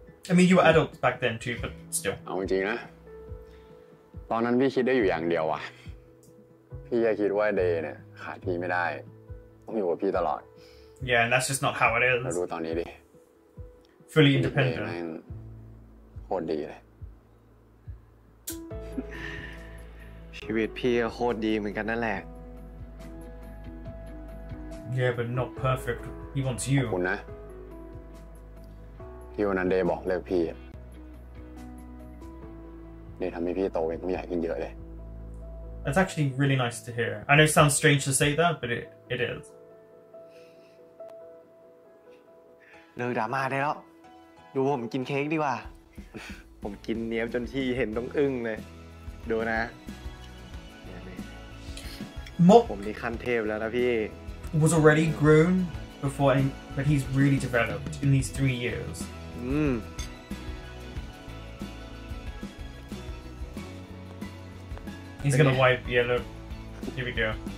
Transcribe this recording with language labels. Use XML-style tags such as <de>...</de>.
<en>I mean you were adults back then too but still</en> <th>เอาจริงนะตอนนั้นพี่คิดได้อยู่อย่างเดียวว่ะพี่จะคิดว่าเดย์เนี่ยขาดพี่ไม่ได้ต้องอยู่กับพี่ตลอด</th> <en>Yeah and that's just not how it is</en> <th>ดูตอนนี้ดิ</th> <en>Fully independent</en> <th>โคตรดีเลย ชีวิตพี่โคตรดีเหมือนกันนั่นแหละ</th> <en>Yeah, but not perfect. He wants you.</en> <th>ขอบคุณนะที่วันนั้นเดย์บอกเลิกพี่เดย์ทำให้พี่โตเป็นผู้ใหญ่ขึ้นเยอะเลย</th> <en>That's actually really nice to hear. I know it sounds strange to say that, but it is.</en> <th>เลิกดราม่าได้แล้วดูผมกินเค้กดีกว่า ผมกินเนี้ยบจนพี่เห็นต้องอึ้งเลยดูนะ มก ผมนี่ขั้นเทพแล้วนะพี่</th> <en>was already grown before but he's really developed in these 3 years He's gonna wipe yellow. Here we go.</en>